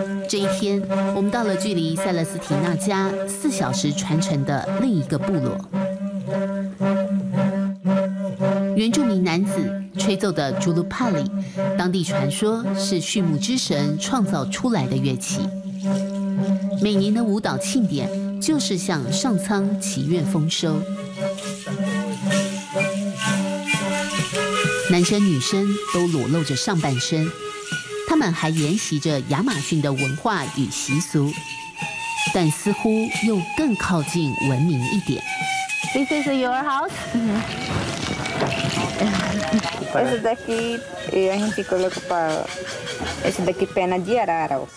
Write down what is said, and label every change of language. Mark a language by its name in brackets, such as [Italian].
[English] This day, we reached the distance from Celestina's house, 4 hours' travel, to another village. [Chinese] 原住民男子吹奏的朱鲁帕里，当地传说是畜牧之神创造出来的乐器。每年的舞蹈庆典就是向上苍祈愿丰收。男生女生都裸露着上半身，他们还沿袭着亚马逊的文化与习俗，但似乎又更靠近文明一点。 [English] This is your house. [Portuguese] Esse daqui a gente colocou para esse daqui pena de araras.